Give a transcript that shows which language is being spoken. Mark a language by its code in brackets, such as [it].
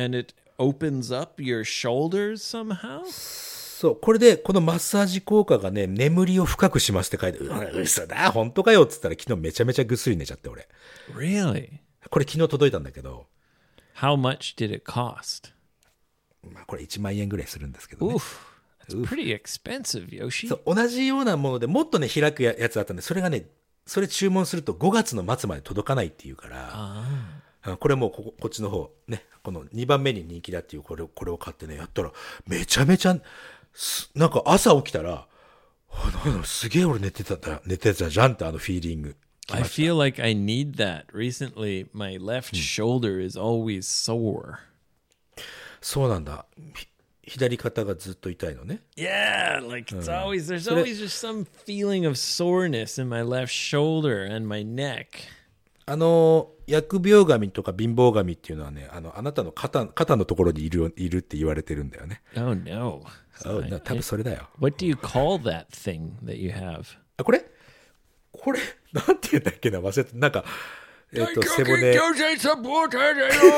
[en] And it opens up your shoulders somehow? [ja] そう、これでこのマッサージ効果がね、眠りを深くしますって書いて、うそだ、本当かよって言ったら、昨日めちゃめちゃぐっすり寝ちゃって俺。 [en] Really? [ja] これ昨日届いたんだけど。 [en] How much did it cost? [ja] まあこれ1万円ぐらいするんですけどね。 [en] Oof, that's pretty expensive, Yoshi. [ja] そう、同じようなものでもっとね開くやつだったんで、それがね、それ注文すると5月の末まで届かないっていうから、これもこっちの方ね、この2番目に人気だっていうこれを買ってね、やったらめちゃめちゃ。なんか朝起きたら、すげえ俺寝てたじゃんってあのフィーリング。 [en] I feel like I need that. Recently, my left shoulder is always sore. [ja] そうなんだ。左肩がずっと痛いのね。 [en] Yeah, like it's always, there's always just some feeling of soreness in my left shoulder and my neck. [ja] あの薬病神とか貧乏神っていうのはね、あのあなたの肩のところにいるって言われてるんだよね。 [en] Oh no. Oh, no, [ja] 多分それだよ。 [en] What do you call that thing that you have? [ja] あ、これなんて言うんだっけな、忘れた。なんか、背骨。大胸筋強靭サポーターだよ。